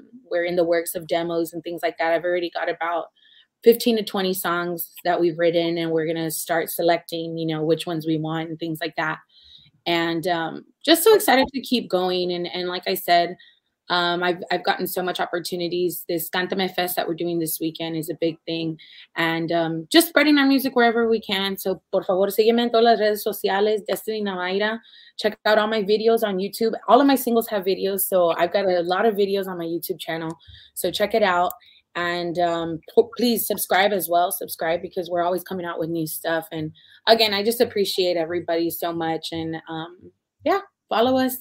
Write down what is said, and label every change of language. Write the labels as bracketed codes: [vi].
[en] We're in the works of demos and things like that. I've already got about 15 to 20 songs that we've written, and we're gonna start selecting, you know, which ones we want and things like that. And just so excited to keep going. And like I said, I've gotten so much opportunities. This Cantame Fest that we're doing this weekend is a big thing. And just spreading our music wherever we can. [es] So por favor, sígueme en todas las redes sociales, Destiny Navaira. [en] Check out all my videos on YouTube. All of my singles have videos. So I've got a lot of videos on my YouTube channel. So check it out. And please subscribe as well. Subscribe, because we're always coming out with new stuff. And again, I just appreciate everybody so much. And yeah, follow us.